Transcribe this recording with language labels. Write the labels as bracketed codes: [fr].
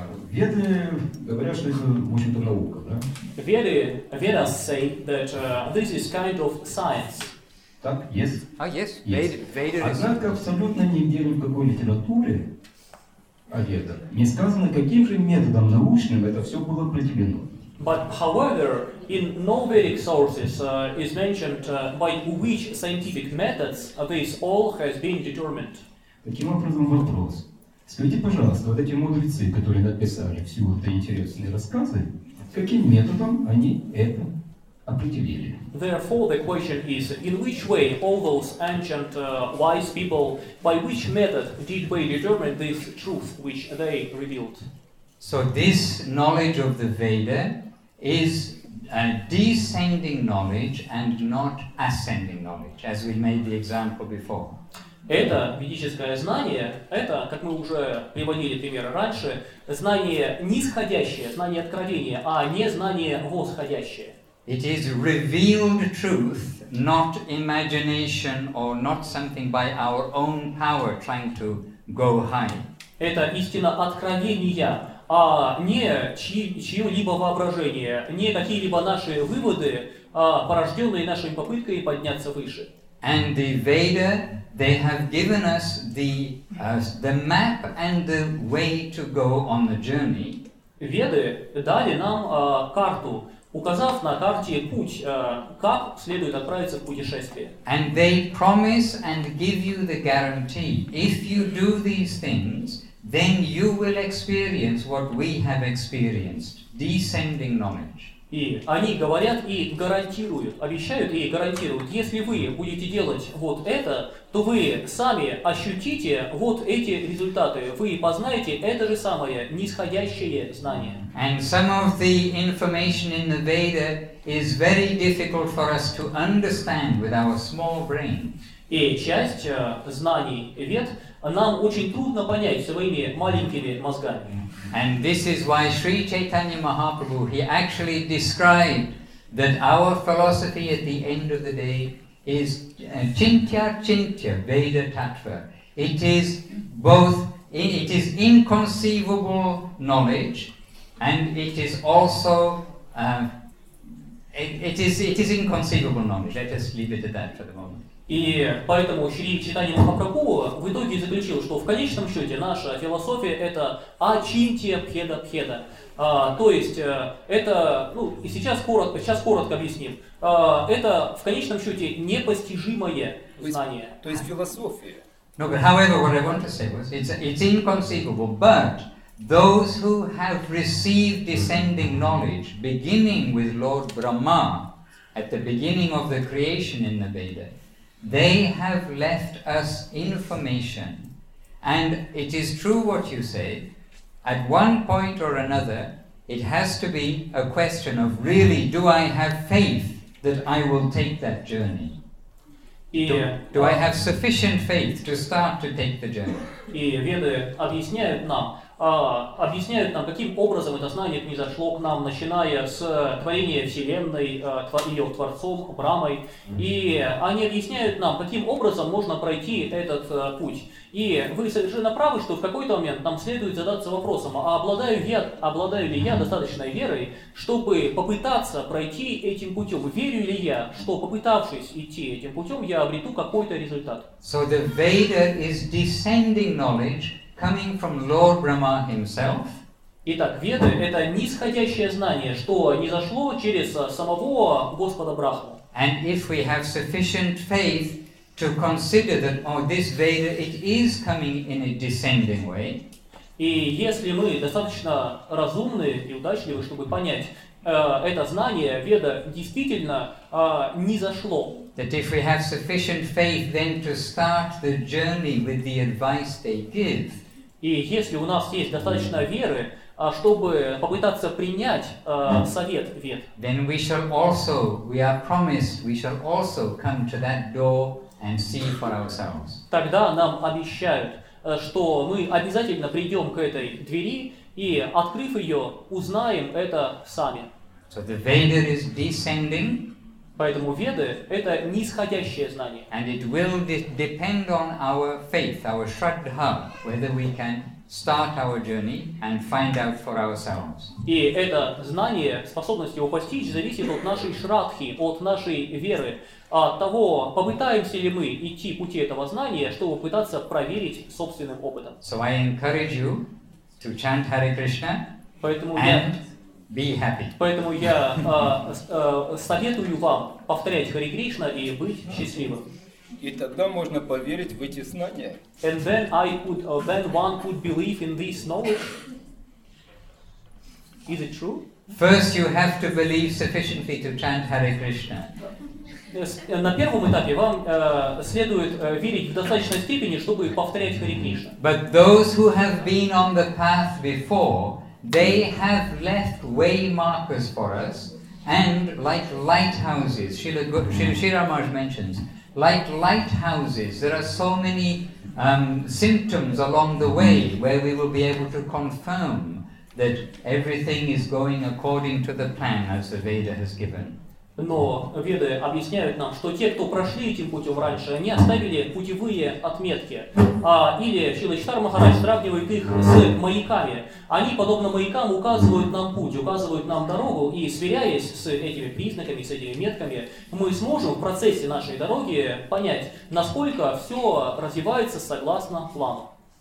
[ru] Веды говорят, что это, в общем-то, наука, да? [en] Vedas say that this is kind of science. [ru] Так, [en] yes. Ah, yes. Yes. [ru] Однако абсолютно нигде ни в какой литературе о ведах не сказано, каким же методом научным это все было определено. [en] But however, in no Vedic sources is mentioned by which scientific methods this all has been determined. [ru] Таким образом вопрос. Скажите, пожалуйста, вот эти мудрецы, которые написали все вот эти интересные рассказы, каким методом они это определили. [en] Therefore, the question is, in which way all those ancient wise people, by which method did they determine this truth which they revealed? So this knowledge of the Veda is a descending knowledge and not ascending knowledge, as we made the example before. [ru] Это ведическое знание, это, как мы уже приводили примеры раньше, знание нисходящее, знание откровения, а не знание восходящее. [en] It is revealed truth, not imagination or not something by our own power trying to go high. [ru] Это истина откровения, а не чьё-либо воображение, не какие-либо наши выводы, порождённые нашими попытками подняться выше. [en] And the Veda, they have given us the map and the way to go on the journey. [ru] Веды дали нам карту, указав на карте путь, как следует отправиться в путешествие. [en] And they promise and give you the guarantee. If you do these things, then you will experience what we have experienced, descending knowledge. [ru] И они говорят и гарантируют, обещают и гарантируют, если вы будете делать вот это, то вы сами ощутите вот эти результаты, вы познаете это же самое нисходящее знание. [en] And some of the information in the Veda is very difficult for us to understand with our small brain. [ru] И часть знаний Вед нам очень трудно понять своими маленькими мозгами. [en] And this is why Sri Chaitanya Mahaprabhu, he actually described that our philosophy at the end of the day is chintya chintya veda tattva. It is both, it is inconceivable knowledge, and it is also, it is inconceivable knowledge. Let us leave it at that for the moment. [ru] И поэтому Шри Чайтанья Махапрабху в итоге заключил, что в конечном счете наша философия – это ачинтья пхеда пхеда. То есть это, ну и сейчас коротко объясним, это в конечном счете непостижимое знание. То есть философия. [en] No, but however, what I want to say was, it's inconceivable, but those who have received descending knowledge, beginning with Lord Brahma, at the beginning of the creation in the Veda, they have left us information, and it is true what you say, at one point or another, it has to be a question of really, do I have faith that I will take that journey? Do I have sufficient faith to start to take the journey? [ru] И Веды объясняют нам, каким образом это знание произошло к нам, начиная с творения Вселенной, ее Творцом, Брамой. И они объясняют нам, каким образом можно пройти этот путь. И вы совершенно правы, что в какой-то момент нам следует задаться вопросом, а обладаю ли я достаточной верой, чтобы попытаться пройти этим путем? Верю ли я, что попытавшись идти этим путем, я обрету какой-то результат? [en] So the Veda is descending knowledge, coming from Lord Brahma himself. [ru] Итак, Веды – это нисходящее знание, что низошло через самого Господа Брахму. [en] And if we have sufficient faith to consider that, oh, this Veda, it is coming in a descending way. [ru] И если мы достаточно разумны и удачливы, чтобы понять, это знание, Веда, действительно низошло. [en] That if we have sufficient faith then to start the journey with the advice they give, [ru] и если у нас есть достаточно веры, чтобы попытаться принять совет Вед, [en] then we shall also, we are promised, we shall also come to that door and see for ourselves. [ru] Тогда нам обещают, что мы обязательно придем к этой двери и, открыв ее, узнаем это сами. [en] So the Veda is descending. [ru] Поэтому Веды – это нисходящее знание. [en] And it will depend on our faith, our Shraddha, whether we can start our journey and find out for ourselves. [ru] И это знание, способность его постичь, зависит от нашей Шраддхи, от нашей веры, от того, попытаемся ли мы идти пути этого знания, чтобы пытаться проверить собственным опытом. [en] So I encourage you to chant Hare Krishna. [ru] Поэтому [en] and be happy. [ru] Поэтому я советую вам повторять Хари Кришна и быть счастливым. И тогда можно поверить в эти знания. [en] And then one could believe in this knowledge. Is it true? First you have to believe sufficiently to chant Hare Krishna. [ru] На первом этапе вам следует верить в достаточной степени, чтобы повторять Хари Кришна. [en] But those who have been on the path before, they have left way markers for us, and like lighthouses, Shri Ramaj mentions, like lighthouses, there are so many symptoms along the way where we will be able to confirm that everything is going according to the plan as the Veda has given. [ru] Но веды объясняют нам, что те, кто прошли этим путем раньше, они оставили путевые отметки. Или Шрила Чайтанья Махарадж сравнивает их с маяками. Они, подобно маякам, указывают нам путь, указывают нам дорогу, и сверяясь с этими признаками, с этими метками, мы сможем в процессе нашей дороги понять, насколько все развивается согласно плану.